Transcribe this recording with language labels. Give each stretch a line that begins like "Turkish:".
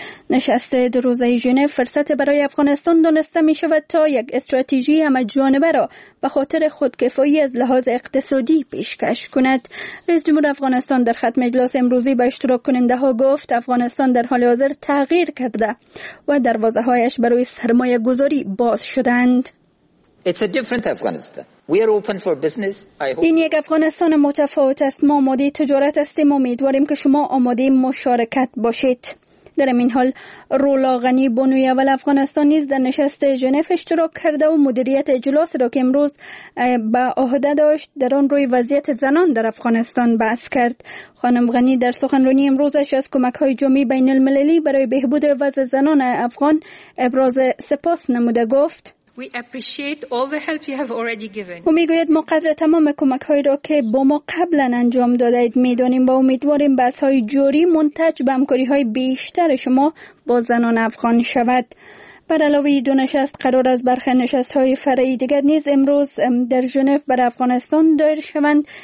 Persian: نشست دو روزه ژنو فرصت برای افغانستان دانسته می شود تا یک استراتژی همه جانبه را به خاطر خودکفایی از لحاظ اقتصادی پیشکش کند. رئیس جمهور افغانستان در ختم مجلس امروزی به اشتراک کننده ها گفت افغانستان در حال حاضر تغییر کرده و دروازه هایش برای سرمایه گذاری باز شدند.
English: It's a different Afghanistan. We are open for business.
Persian: این یک افغانستان متفاوت است. ما آماده تجارت هستیم. امیدواریم که شما آماده مشارکت باشید. در این حال رولا غنی بانوی اول افغانستان نیز در نشست ژنو اشتراک کرده و مدیریت اجلاس را که امروز به عهده داشت در آن روی وضعیت زنان در افغانستان بحث کرد. خانم غنی در سخنرانی امروزش از کمک های جمعی بین المللی برای بهبود وضع زنان افغان ابراز سپاس نموده گفت:
English: We appreciate all the help you have already given.
Persian: او میگوید ما قدر تمام کمک هایی را که با ما قبلا انجام دادید میدانیم و امیدواریم بحث های جوری منتج به همکاری های بیشتر شما با زنان افغان شود. بر علاوه دو نشست قرار از برخی نشست های فرعی دیگر نیز امروز در ژنو بر افغانستان دایر شوند.